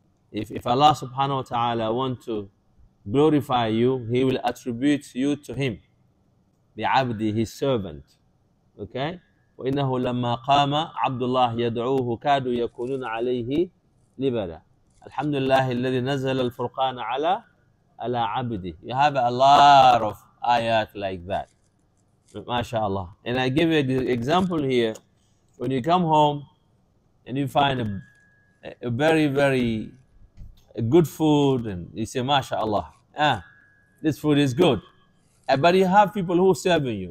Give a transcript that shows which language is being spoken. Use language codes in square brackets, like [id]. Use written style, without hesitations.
[en] If Allah subhanahu wa ta'ala want to glorify you, he will attribute you to him. Bi abdi, his servant. Okay? [ar] وَإِنَّهُ لَمَّا قَامَ عَبْدُ اللَّهِ يَدْعُوهُ كَادُوا يَكُونُونَ عَلَيْهِ لِبَدًا الحمد لله الذي نزل الفرقان على عبده. [en] You have a lot of ayat like that. ما شاء الله. And I give you an example here. When you come home and you find a very, very good food, and you say, ما شاء الله. Ah, this food is good. But you have people who are serving you.